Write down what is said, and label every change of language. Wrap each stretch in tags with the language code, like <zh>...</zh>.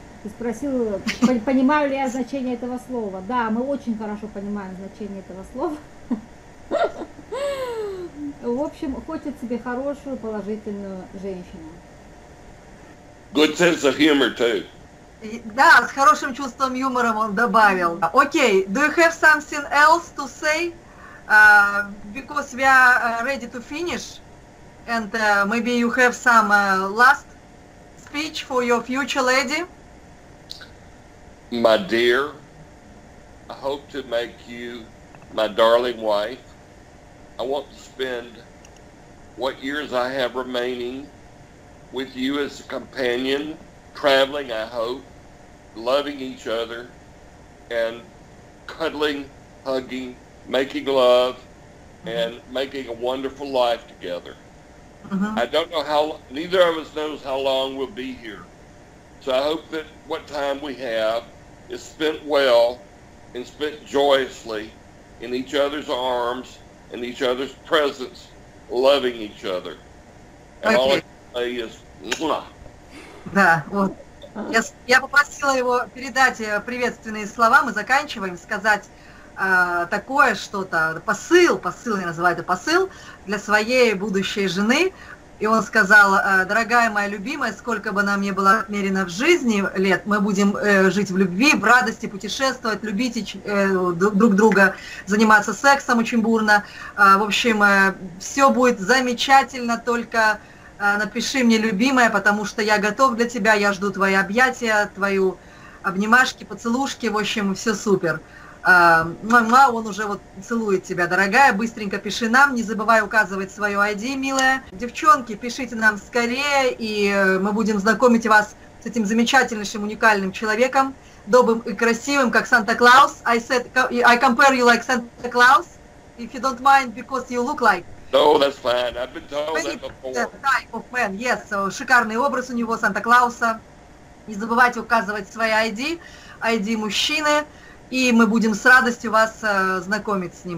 <ru>И спросил, понимаю ли я значение этого слова. Да, мы очень хорошо понимаем значение этого слова. В общем, хочет себе хорошую, положительную женщину.</ru> <en>Good sense of humor too.</en> <ru>Да, с хорошим чувством юмора он добавил.</ru> <en>Окей, do you have something else to say? Because we are ready to finish. And maybe you have some last speech for your future lady. My dear, I hope to make you my darling wife. I want to spend what years I have remaining with you as a companion, traveling, I hope, loving each other, and cuddling, hugging, making love, and making a wonderful life together. I don't know how, neither of us knows how long we'll be here. So I hope that what time we have is spent well and spent joyously in each other's arms and each other's presence, loving each other. And okay. All I can say is, mwah.</en> <ru>Да, вот. Я попросила его передать приветственные слова, мы заканчиваем, сказать такое что-то, посыл, я называю это посыл, для своей будущей жены. И он сказал: дорогая моя любимая, сколько бы нам ни было отмерено в жизни лет, мы будем жить в любви, в радости, путешествовать, любить друг друга, заниматься сексом очень бурно. В общем, все будет замечательно, только... Напиши мне, любимая, потому что я готов для тебя, я жду твои объятия, твою обнимашки, поцелушки, в общем, все супер. Мама, он уже вот целует тебя, дорогая, быстренько пиши нам, не забывай указывать свою ID, милая. Девчонки, пишите нам скорее, и мы будем знакомить вас с этим замечательным, уникальным человеком, добрым и красивым, как Санта-Клаус.</ru> <en>I said, I compare you like Santa Claus, if you don't mind, because you look like. No, that's fine. I've been told that before. Type of man, yes.</en> <ru>Шикарный образ у него, Санта-Клауса. Не забывайте указывать свои ID, ID мужчины, и мы будем с радостью вас знакомить с ним.</ru>